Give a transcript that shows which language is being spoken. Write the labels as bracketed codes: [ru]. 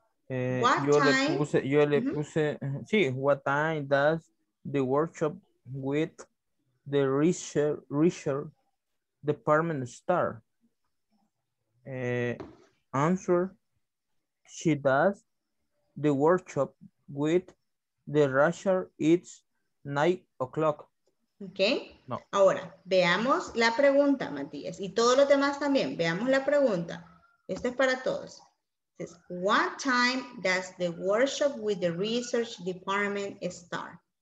[es] Yo le puse, sí, [en] what time does the workshop with the research department start? Answer, she does the workshop with the research, it's 9:00. Okay. No. [es] Ahora, veamos la pregunta, Matías, y todos los demás también, veamos la pregunta. Esto es para todos. [en] What time does the workshop with the research department start?